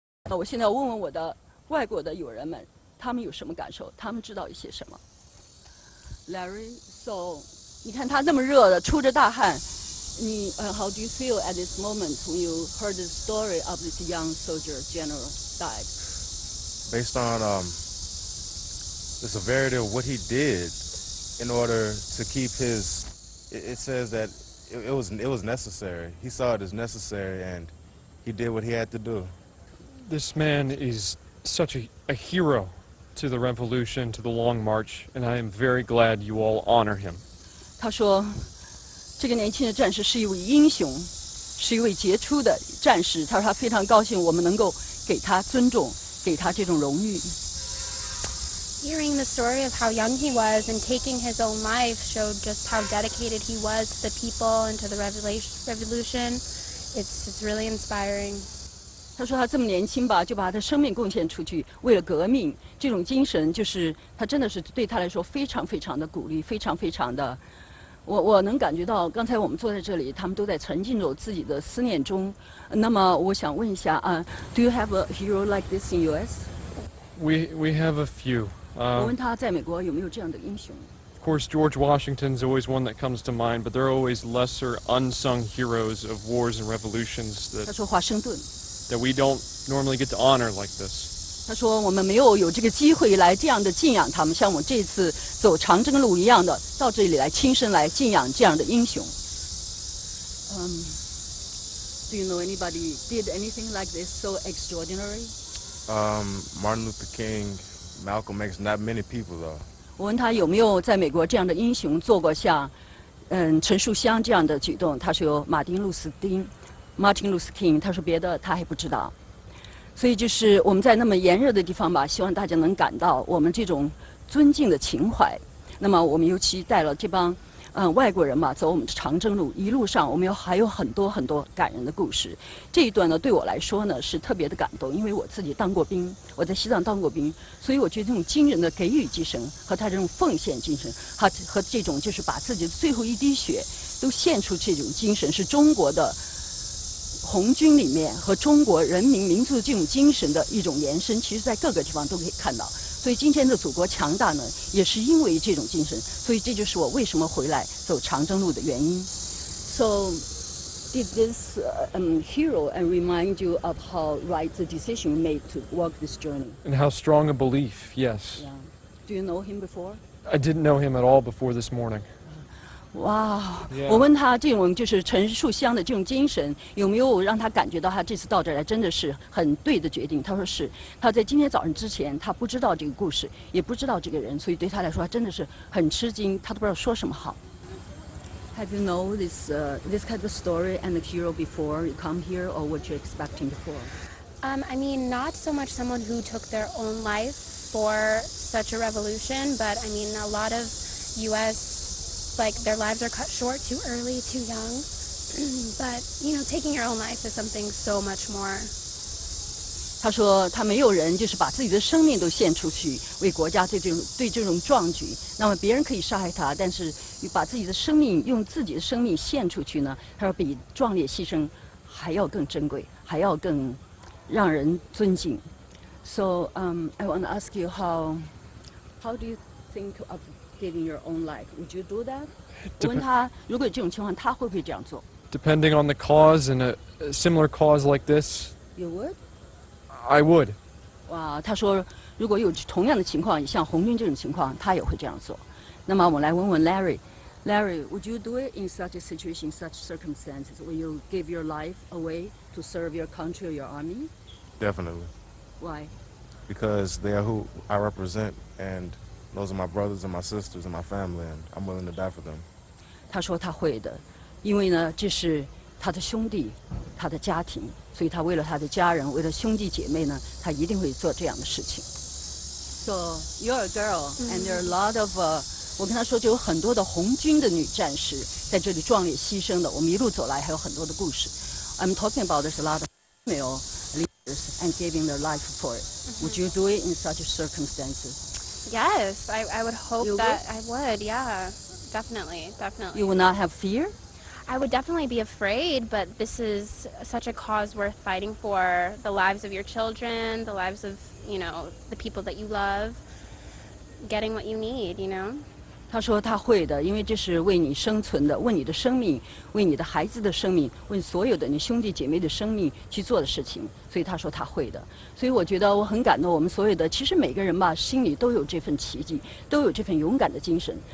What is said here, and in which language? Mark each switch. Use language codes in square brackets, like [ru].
[zh] 我现在问问我的外国的友人们，他们有什么感受？他们知道一些什么？ [en] Larry, so, [zh] 你看他那么热的，出着大汗，你 [en] how do you feel at this moment when you heard the story of this young soldier general died? Based on the severity of what he did in order to keep his, it says that it was necessary. He saw it as necessary and he did what he had to do. This man is such a hero. To the revolution, to the long march, and I am very glad you all honor him. [zh] 他说，这个年轻的战士是一位英雄，是一位杰出的战士。他说他非常高兴我们能够给他尊重，给他这种荣誉。 [en] Hearing the story of how young he was and taking his own life showed just how dedicated he was to the people and to the revolution. It's really inspiring. [zh] 他说他这么年轻吧，就把他的生命贡献出去，为了革命。这种精神就是他真的是对他来说非常非常的鼓励，非常非常的。我能感觉到，刚才我们坐在这里，他们都在沉浸着自己的思念中。那么我想问一下啊、， [en] Do you have a hero like this in U.S.? We have a few.、 [zh] 我问他在美国有没有这样的英雄。 [en] Of course, George Washington's always one that comes to mind, but there are always lesser unsung heroes of wars and revolutions that. [zh] 他说华盛顿。 [en] That we don't normally get to honor like this. [zh] 他说我们没有有这个机会来这样的敬仰他们，像我这次走长征路一样的到这里来亲身来敬仰这样的英雄。 [en] Do you know anybody did anything like this so extraordinary? Martin Luther King, Malcolm X, not many people though. [zh] 我问他有没有在美国这样的英雄做过像，陈树湘这样的举动，他说马丁路斯丁。 Martin Luther King， 他说别的他还不知道，所以就是我们在那么炎热的地方吧，希望大家能感到我们这种尊敬的情怀。那么我们尤其带了这帮外国人嘛，走我们的长征路，一路上我们还有很多很多感人的故事。这一段呢，对我来说呢是特别的感动，因为我自己当过兵，我在西藏当过兵，所以我觉得这种惊人的给予精神和他这种奉献精神，和这种就是把自己的最后一滴血都献出这种精神，是中国的。红军里面和中国人民民族这种精神的一种延伸，其实在各个地方都可以看到。所以今天的祖国强大呢，也是因为这种精神。所以这就是我为什么回来走长征路的原因。 [en] So, did this hero and remind you of how right the decision you made to walk this journey? And how strong a belief, yes. Yeah. Do you know him before? I didn't know him at all before this morning. 哇、 wow, yeah. [zh] 我问他这种就是陈树湘的这种精神有没有让他感觉到他这次到这儿来真的是很对的决定，他说是，他在今天早上之前他不知道这个故事，也不知道这个人，所以对他来说他真的是很吃惊，他都不知道说什么好。 [en] Have you know this, this kind of story and the hero before you come here or what you're expecting before? I mean not so much someone who took their own life for such a revolution, but I mean a lot of USLike their lives are cut short too early, too young. But you know, taking your own life is something so much more. [zh] 他说他没有人就是把自己的生命都献出去为国家对这种壮举。那么别人可以杀害他，但是把自己的生命用自己的生命献出去呢？他说比壮烈牺牲还要更珍贵，还要更让人尊敬。 [en] So I want to ask you how do you think of? Giving your own life, would you do that? [zh] 我问他，如果有这种情况，他会不会这样做 [en] ？Depending on the cause and a similar cause like this, you would. I would. [zh] 哇，他说，如果有同样的情况，像红军这种情况，他也会这样做。那么我来问问 Larry. [en] Larry, would you do it in such a situation, such circumstances? Would you give your life away to serve your country or your army? Definitely. Why? Because they are who I represent and. Those are my brothers and my sisters and my family, and I'm willing to die for them. [zh] 他说他会的，因为呢，这是他的兄弟，他的家庭，所以他为了他的家人，为了兄弟姐妹呢，他一定会做这样的事情。 [en] So you're a girl,、mm-hmm. and there are a lot of. [zh] 我跟他说，就有很多的红军的女战士在这里壮烈牺牲的。我们一路走来，还有很多的故事。 [en] I'm talking about this a lot of female leaders and giving their life for it.、Mm-hmm. Would you do it in such circumstances? Yes, I would hope that I would, yeah, definitely, definitely. You would not have fear? I would definitely be afraid, but this is such a cause worth fighting for, the lives of your children, the lives of, you know, the people that you love, getting what you need, you know? [zh] 他说他会的，因为这是为你生存的，为你的生命，为你的孩子的生命，为所有的你兄弟姐妹的生命去做的事情，所以他说他会的。所以我觉得我很感动，我们所有的其实每个人吧，心里都有这份奇迹，都有这份勇敢的精神。